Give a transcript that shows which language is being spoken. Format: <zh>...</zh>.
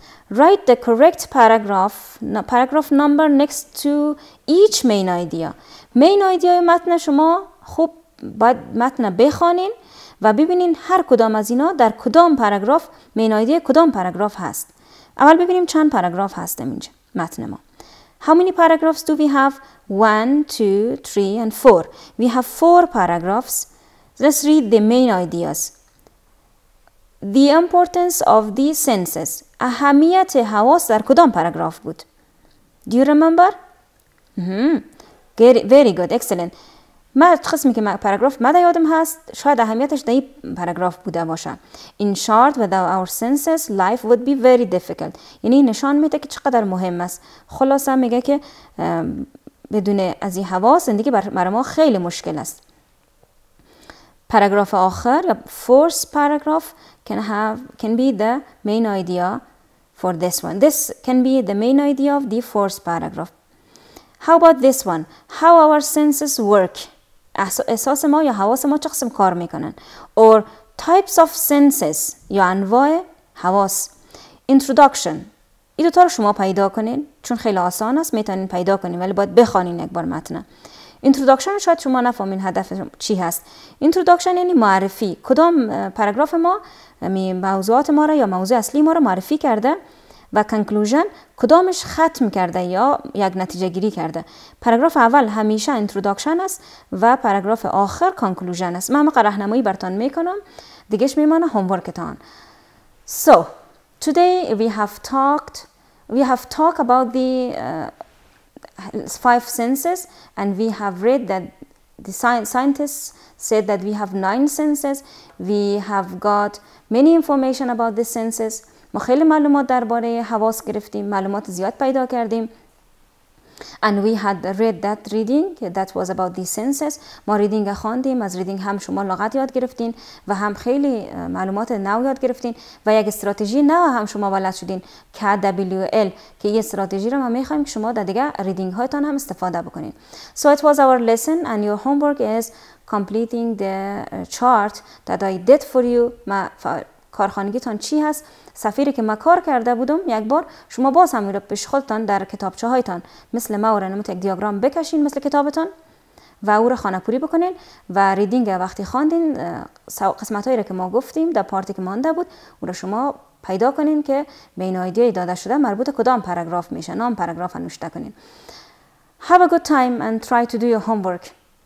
<en>Write the correct paragraph number next to each main idea.</en> <fa>Main idea متن شما خوب باید متن بخونین و ببینین هر کدام از اینا در کدام پاراگراف مین ایده کدام پاراگراف هست. اول ببینیم چند پاراگراف هست اینجا متن ما.</fa> <en>How many paragraphs do we have? 1, 2, 3, and 4. We have 4 paragraphs. Let's read the main ideas. The importance of the senses.</en> <fa>اهمیت حواس در کدام پاراگراف بود؟</fa> <en>Do you remember? Very good, excellent.</en> <fa>ما قسمی که پاراگراف مده یادم هست شاید اهمیتش در این پاراگراف بوده باشه.</fa> <en>In short, without our senses, life would be very difficult.</en> <fa>یعنی نشان میده که چقدر مهم است. خلاصه میگه که بدون از این حواس زندگی برای ما خیلی مشکل است. پاراگراف آخر یا</fa> <en>fourth paragraph can be the main idea for this one. This can be the main idea of the fourth paragraph. How about this one? How our senses work?</en> <fa>احساس ما یا حواس ما چه قسم کار میکنن؟</fa> <en>Or types of senses</en> <fa>یا انواع حواس.</fa> <en>Introduction.</en> <fa>این دوتا رو شما پیدا کنین. چون خیلی آسان است میتونین پیدا کنین ولی باید بخونین یک بار متن. Introduction شاید شما نفهمین هدف چی هست. Introduction یعنی معرفی. کدام پاراگراف ما موضوعات ما را یا موضوع اصلی ما را معرفی کرده؟ و کنکلوژن کدامش ختم کرده یا یک نتیجه گیری کرده. پاراگراف اول همیشه انتروداکشن است و پاراگراف آخر کنکلوژن است. من همه راهنمایی برتان میکنم. دیگهش میمانه هومورکتان.</fa> <en>So, today we have talked about the five senses and we have read that the scientists said that we have 9 senses. We have got many information about the senses.</en> <fa>ما خیلی معلومات درباره حواس گرفتیم، معلومات زیاد پیدا کردیم.</fa> <en>And we had read that reading that was about the senses.</en> <fa>ما ریدینگ خواندیم، از ریدینگ هم شما لغت یاد گرفتین و هم خیلی معلومات نو یاد گرفتین و یک استراتژی نو هم شما بلد شدین KWL که این استراتژی رو ما می‌خوایم که شما در دیگه ریدینگ هایتان هم استفاده بکنین.</fa> <en>So it was our lesson and your homework is completing the chart that I did for you.</en> <fa>ما کارخانگیتان چی هست؟ سفیری که ما کار کرده بودم یک بار شما باز هم رو پیش خودتان در کتابچه هایتان مثل ما رو نمود یک دیاگرام بکشین مثل کتابتان و او رو خانه‌پوری بکنین و ریدینگ وقتی خواندین قسمت هایی رو که ما گفتیم در پارتی که مانده بود او رو شما پیدا کنین که بین آیدیایی داده شده مربوط کدام پاراگراف میشه نام پاراگراف رو نوشته کنین.</fa> <en>Have a good time and try to do your homework.</en>